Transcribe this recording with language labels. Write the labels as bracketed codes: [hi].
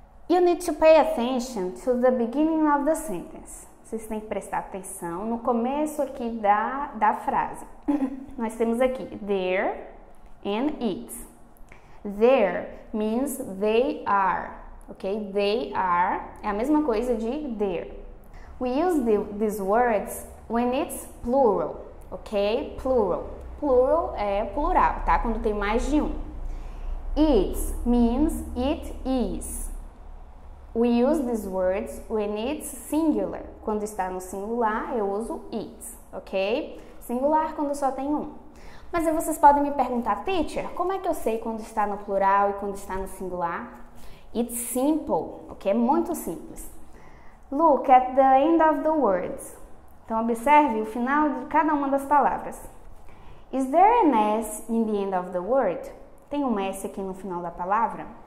[en] You need to pay attention to the beginning of the sentence. [pt] Vocês têm que prestar atenção no começo aqui da frase. Nós temos aqui [en] there and it. There means they are, ok? [pt] They are é a mesma coisa de there. [en] We use these words when it's plural, ok? [pt] Plural. Plural é plural, tá? Quando tem mais de um. [en] It means it is. We use these words when it's singular. [pt] Quando está no singular, eu uso it, ok? Singular quando só tem um. Mas aí vocês podem me perguntar, teacher, como é que eu sei quando está no plural e quando está no singular? [en] It's simple, ok? [pt] É muito simples. [en] Look at the end of the words. [pt] Então, observe o final de cada uma das palavras. [en] Is there an S in the end of the word? [pt] Tem um S aqui no final da palavra?